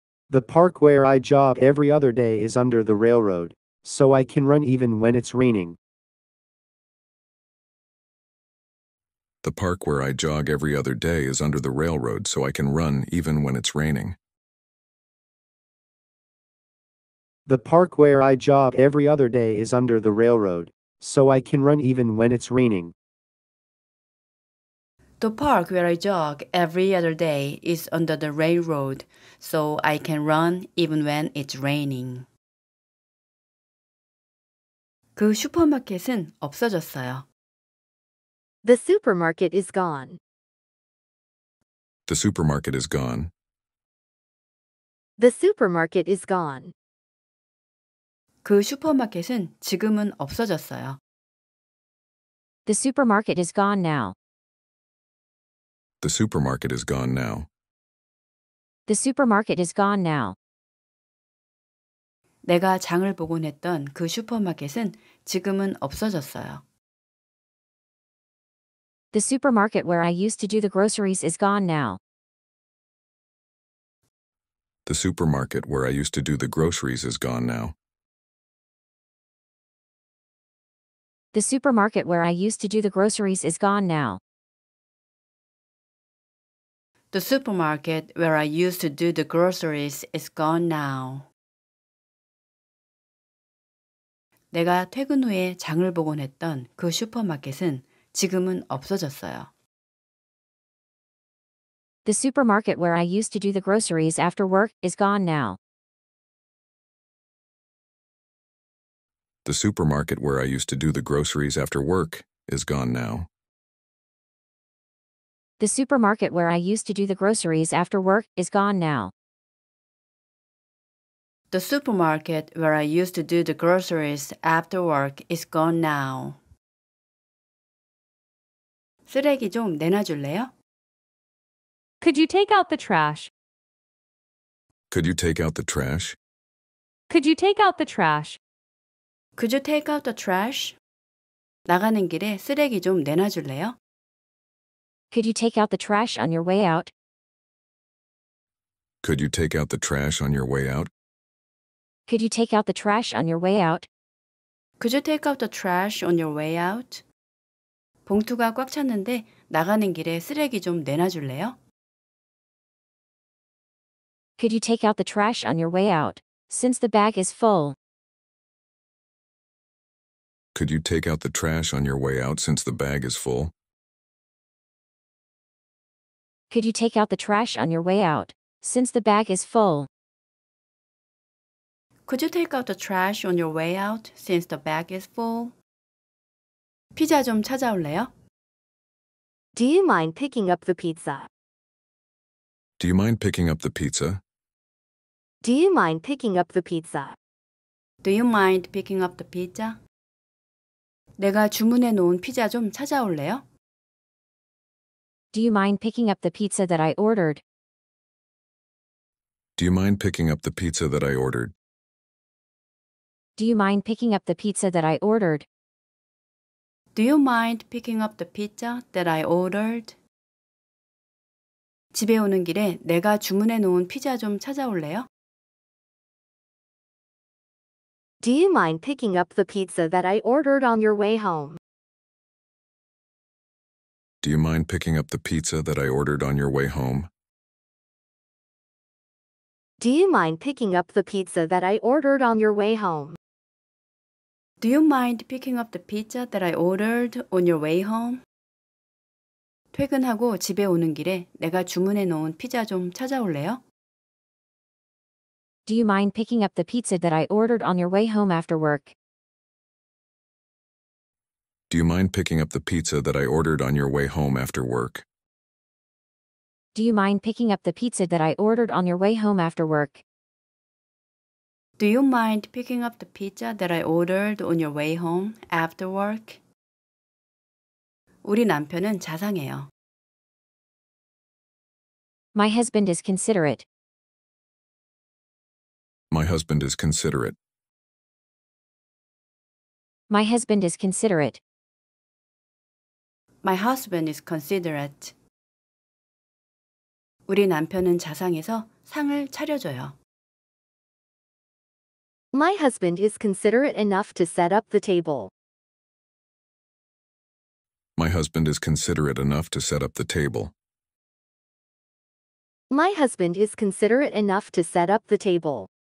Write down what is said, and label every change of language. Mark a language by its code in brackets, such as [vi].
[en] The park where I jog every other day is under the railroad, so I can run even when it's raining. The park where I jog every other day is under the railroad, so I can run even when it's raining. The park where I jog every other day is under the railroad, so I can run even when it's raining. The park where I jog every other day is under the railroad, so I can run even when it's raining. [ko] 그 슈퍼마켓은 없어졌어요. [en] The supermarket is gone. The supermarket is gone. The supermarket is gone. [ko] 그 슈퍼마켓은 지금은 없어졌어요. [en] The supermarket is gone now. The supermarket is gone now. The supermarket is gone now. [ko] 내가 장을 보고 냈던 그 슈퍼마켓은 지금은 없어졌어요. [en] The supermarket where I used to do the groceries is gone now. The supermarket where I used to do the groceries is gone now. The supermarket where I used to do the groceries is gone now. The supermarket where I used to do the groceries is gone now. [ko] 내가 퇴근 후에 장을 보곤 했던 그 슈퍼마켓은 지금은 없어졌어요. [en] The supermarket where I used to do the groceries after work is gone now. The supermarket where I used to do the groceries after work is gone now. The supermarket where I used to do the groceries after work is gone now. The supermarket where I used to do the groceries after work is gone now. [ko] 쓰레기 좀 내놔줄래요? [en] Could you take out the trash? Could you take out the trash? Could you take out the trash? Could you take out the trash? [ko] 나가는 길에 쓰레기 좀 내놔줄래요? [en] Could you take out the trash on your way out? Could you take out the trash on your way out? Could you take out the trash on your way out? Could you take out the trash on your way out? [ko] 봉투가 꽉 찼는데 나가는 길에 쓰레기 좀 내놔줄래요? [en] Could you take out the trash on your way out, since the bag is full? Could you take out the trash on your way out, since the bag is full? Could you take out the trash on your way out, since the bag is full? Could you take out the trash on your way out, since the bag is full? [ko] 피자 좀 찾아올래요? [en] Do you mind picking up the pizza? Do you mind picking up the pizza? Do you mind picking up the pizza? Do you mind picking up the pizza? [ko] 내가 주문해 놓은 피자 좀 찾아올래요? [en] Do you mind picking up the pizza that I ordered? Do you mind picking up the pizza that I ordered? Do you mind picking up the pizza that I ordered? Do you mind picking up the pizza that I ordered? [ko] 집에 오는 길에 내가 주문해 놓은 피자 좀 찾아올래요? [en] Do you mind picking up the pizza that I ordered on your way home? Do you mind picking up the pizza that I ordered on your way home? Do you mind picking up the pizza that I ordered on your way home? Do you mind picking up the pizza that I ordered on your way home? [ko] 퇴근하고 집에 오는 길에 내가 주문해 놓은 피자 좀 찾아올래요? [en] Do you mind picking up the pizza that I ordered on your way home after work? Do you mind picking up the pizza that I ordered on your way home after work? Do you mind picking up the pizza that I ordered on your way home after work? Do you mind picking up the pizza that I ordered on your way home after work? [ko] 우리 남편은 자상해요. [en] My husband is considerate. My husband is considerate. My husband is considerate. My husband is considerate. [ko] 우리 남편은 자상해서 상을 차려줘요. [en] My husband is considerate enough to set up the table. My husband is considerate enough to set up the table. My husband is considerate enough to set up the table.